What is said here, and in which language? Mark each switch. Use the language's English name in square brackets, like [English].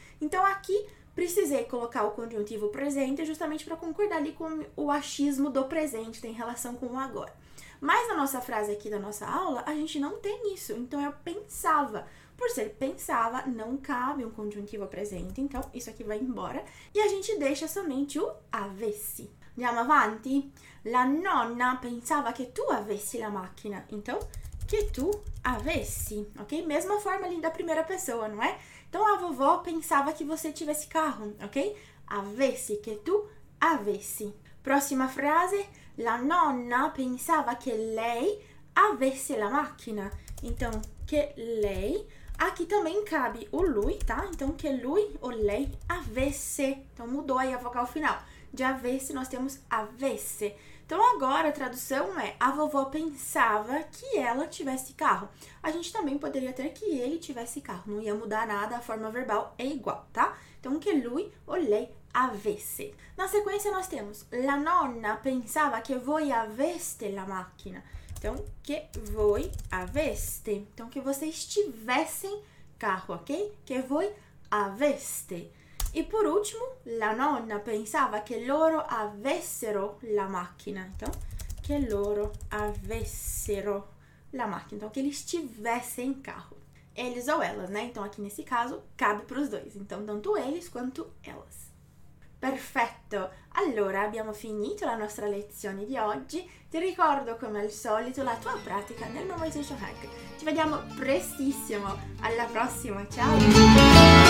[Portuguese] Então aqui precisei colocar o conjuntivo presente justamente para concordar ali com o achismo do presente, tem relação com o agora. Mas na nossa frase aqui da nossa aula, a gente não tem isso. Então eu pensava. Por ser pensava, não cabe um conjuntivo presente, então isso aqui vai embora e a gente deixa somente o avessi. [Italian] Andiamo avanti. La nonna pensava che tu avessi la macchina. Então, che tu avessi, ok? [Portuguese] Mesma forma ali da primeira pessoa, não é? Então a vovó pensava que você tivesse carro, ok? [Italian] Avessi, che tu avessi. [Portuguese] Próxima frase. [Italian] La nonna pensava che lei avesse la macchina. Então, che lei. [Portuguese] Aqui também cabe o lui, tá? Então, que lui ou lei avesse. Então, mudou aí a vogal final. De avesse, nós temos avesse. Então, agora a tradução é: a vovó pensava que ela tivesse carro. A gente também poderia ter que ele tivesse carro. Não ia mudar nada, a forma verbal é igual, tá? Então, que lui ou lei avesse. Na sequência, nós temos: [Italian] la nonna pensava che voi aveste la macchina. [Portuguese] Então, que [Italian] voi aveste. [Portuguese] Então, que vocês tivessem carro, ok? Que [Italian] voi aveste. [Portuguese] E por último, [Italian] la nonna pensava che loro avessero la macchina. [Portuguese] Então, [Italian] che loro avessero la macchina. [Portuguese] Então, che eles tivessem carro. Eles ou elas, né? Então, aqui nesse caso, cabe para os dois. Então, tanto eles quanto elas. [Italian] Perfetto! Allora abbiamo finito la nostra lezione di oggi. Ti ricordo, come al solito, la tua pratica nel nuovo esercizio hack. Ci vediamo prestissimo! Alla prossima, ciao!